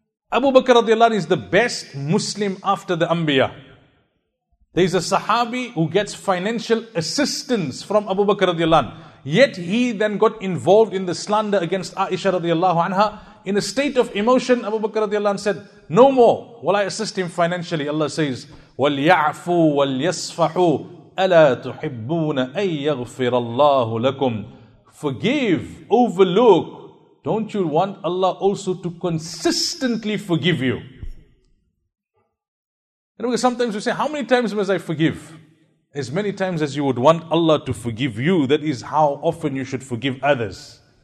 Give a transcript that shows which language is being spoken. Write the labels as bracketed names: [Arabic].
[English] Abu Bakr radiallahu anhu is the best Muslim after the Anbiya. There is a Sahabi who gets financial assistance from Abu Bakr radiallahu anhu. Yet he then got involved in the slander against Aisha radiallahu anha. In a state of emotion, Abu Bakr radiallahu anhu said, no more will I assist him financially. Allah says, [Arabic] وَلْيَعْفُوا وَلْيَصْفَحُوا أَلَا تُحِبُّونَ أَن يَغْفِرَ اللَّهُ لَكُمْ. [English] Forgive, overlook. Don't you want Allah also to consistently forgive you? You know, because sometimes we say, how many times must I forgive? As many times as you would want Allah to forgive you, that is how often you should forgive others.